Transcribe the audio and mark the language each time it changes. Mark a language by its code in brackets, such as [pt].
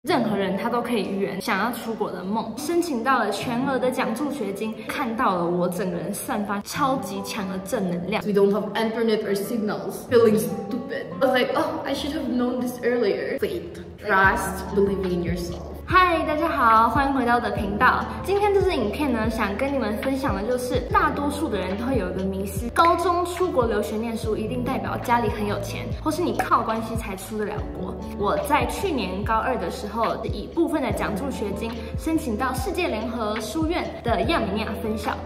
[zh] 任何人他都可以圆想要出国的梦，申请到了全额的奖助学金，看到了我整个人散发超级强的正能量。 [en] We don't have internet or signals. Feeling stupid. I was like, oh, I should have known this earlier. Faith, trust, believing in yourself. [zh] 嗨，大家好，欢迎回到我的频道。今天这支影片呢，想跟你们分享的就是，大多数的人都会有一个迷思，高中出国留学念书一定代表家里很有钱，或是你靠关系才出得了国。我在去年高二的时候，以部分的奖助学金申请到世界联合书院的亚美尼亚分校。